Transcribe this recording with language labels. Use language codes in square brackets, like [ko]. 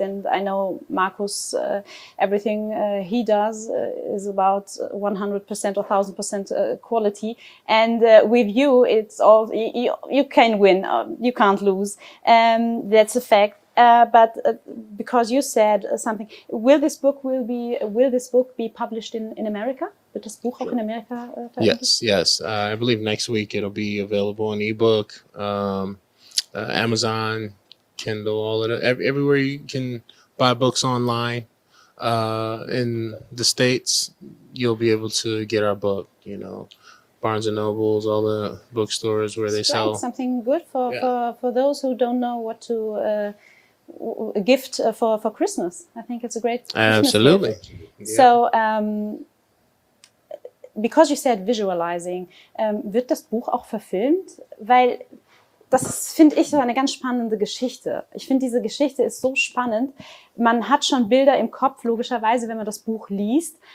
[en] And I know Marcus, everything he does is about 100% or 1000% quality. And with you, it's all you can win, you can't lose. That's a fact. But because you said something, will this book be published in America? [de] Wird das Buch auch in Amerika veröffentlicht? [en] Yes. I believe next week it'll be available on ebook, Amazon, Kindle, all of it, everywhere you can buy books online. In the States, you'll be able to get our book. You know, Barnes and Nobles, all the bookstores where they sell. Something good for those who don't know what to. A gift for Christmas. I think it's a great Christmas. Absolutely. Yeah. So, because you said visualizing, [de] wird das Buch auch verfilmt? Weil das finde ich so eine ganz spannende Geschichte. Ich finde, diese Geschichte ist so spannend. Man hat schon Bilder im Kopf, logischerweise, wenn man das Buch liest.